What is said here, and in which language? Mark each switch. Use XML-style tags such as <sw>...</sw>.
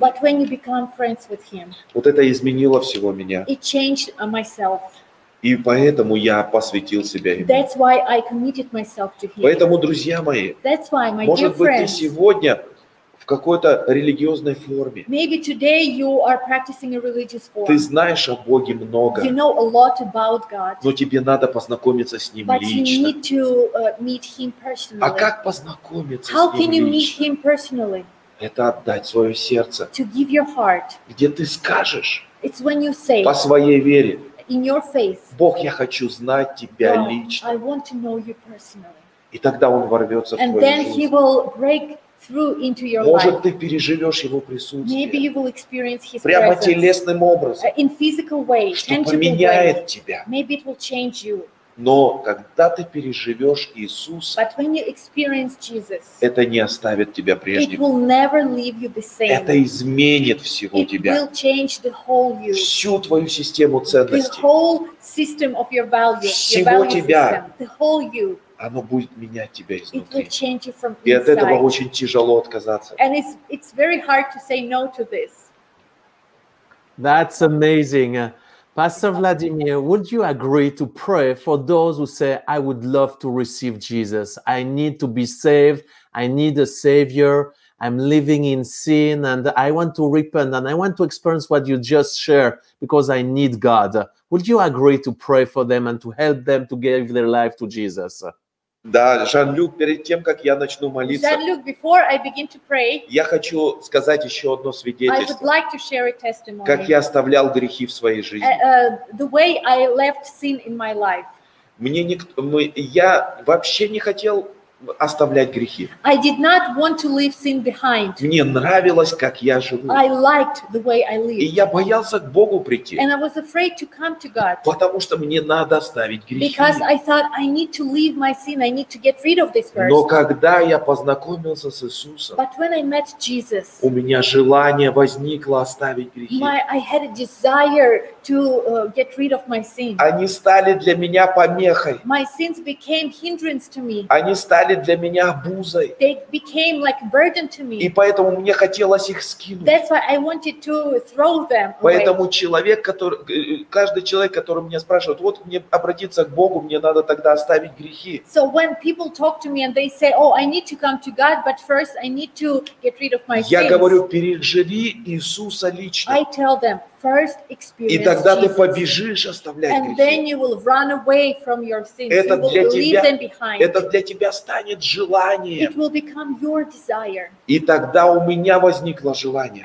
<en>But when you become friends with him.</en> <ru>Вот это изменило всего меня.</ru> <en>It changed myself.</en> <ru>И поэтому я посвятил себя ему.</ru> <en>That's why I committed myself to him.</en> <ru>Поэтому, друзья мои,</ru> <en>that's why, my</en> <ru>может</ru> <en>dear friends,</en> <ru>быть, ты сегодня в какой-то религиозной форме.</ru> <en>Maybe today you are practicing a religious form.</en> <ru>Ты знаешь о Боге много.</ru> <en>You know a lot about God.</en> <ru>Но тебе надо познакомиться с Ним</ru> <en>but</en> <ru>лично.</ru> <en>You need to meet Him personally.</en> <ru>А как познакомиться</ru> <en>how</en> <ru>с Ним лично?</ru> <en>Meet Him personally?</en> <ru>Это отдать свое сердце.</ru> <en>To give your heart.</en> <ru>Где ты скажешь</ru> <en>it's when you say,</en> <ru>по своей вере.</ru> <en>in your faith.</en> <ru>Бог, я хочу знать тебя лично.</ru> <en>I want to know you personally.</en> <ru>И тогда он ворвется в твою жизнь. Может, ты переживешь его присутствие.</ru> <en>Maybe you will experience his</en> <ru>прямо</ru> <en>presence,</en> <ru>телесным образом.</ru> <en>In physical way,</en> <ru>что поменяет</ru> <en>way.</en> <ru>Тебя.</ru> <en>Maybe it will change you.</en> <ru>Но когда ты переживешь Иисуса,</ru> <en>but when you experience Jesus,</en> <ru>это не оставит тебя прежним.</ru> <en>It will never leave you the same.</en> <ru>Это изменит всего</ru> <en>it</en> <ru>тебя.</ru> <en>Will change the whole you.</en> <ru>Всю твою систему ценностей.</ru> <en>The whole system of your values,</en> <ru>всего</ru> <en>your value</en> <ru>тебя.</ru> <en>System, the whole you.</en> <ru>Оно будет менять тебя изнутри.</ru> <en>It will change you from inside.</en> <ru>И от этого очень тяжело отказаться.</ru> <en>And it's very hard to say no to this. That's amazing. Pastor Vladimir, would you agree to pray for those who say, I would love to receive Jesus. I need to be saved. I need a savior. I'm living in sin and I want to repent and I want to experience what you just shared because I need God. Would you agree to pray for them and to help them to give their life to Jesus?</en> <ru>Да, Жан-Люк, перед тем, как я начну молиться,</ru> <en>Jean-Luc, before I begin to pray,</en> <ru>я хочу сказать еще одно свидетельство,</ru> <en>I would like to share a testimony,</en> <ru>как я оставлял грехи в своей жизни.</ru> <en>The way I left sin in my life.</en> <ru>Мне никто, я вообще не хотел оставлять грехи.</ru> <en>I did not want to leave sin behind.</en> <ru>Мне нравилось, как я живу.</ru> <en>I liked the way I lived.</en> <ru>И я боялся к Богу прийти.</ru> <en>And I was afraid to come to God.</en> <ru>Потому что мне надо оставить грехи.</ru> <en>Because I thought I need to leave my sin. I need to get rid of this first.</en> <ru>Но когда я познакомился с Иисусом,</ru> <en>but when I met Jesus,</en> <ru>у меня желание возникло оставить грехи.</ru> <en>I had a desire to get rid of my sin.</en> <ru>Они стали для меня помехой.</ru> <en>My sins became hindrance to me.</en> <ru>Они стали для меня обузой.</ru> <en>They became like a burden to me.</en> <ru>И поэтому мне хотелось их скинуть.</ru> <en>That's why I wanted to throw them away.</en> <ru>Поэтому человек, который, каждый человек, который меня спрашивает, вот мне обратиться к Богу, мне надо тогда оставить грехи.</ru> <en>So when people talk to me and they say, oh, I need to come to God, but first I need to get rid of my sins.</en> <ru>Я говорю, переживи Иисуса лично.</ru> <en>I tell them, first experience</en> <ru>и тогда</ru> <en>Jesus.</en> <ru>Ты побежишь оставлять</ru> <en>and</en> <ru>грехи.</ru> <en>Then you will run away from your sins.</en> <ru>Это</ru> <en>you will</en> <ru>для</ru> <en>leave</en> <ru>тебя,</ru> <en>them behind.</en> <ru>Это для тебя станет желанием.</ru> <en>It will become your desire.</en> <ru>И тогда у меня возникло желание.</ru>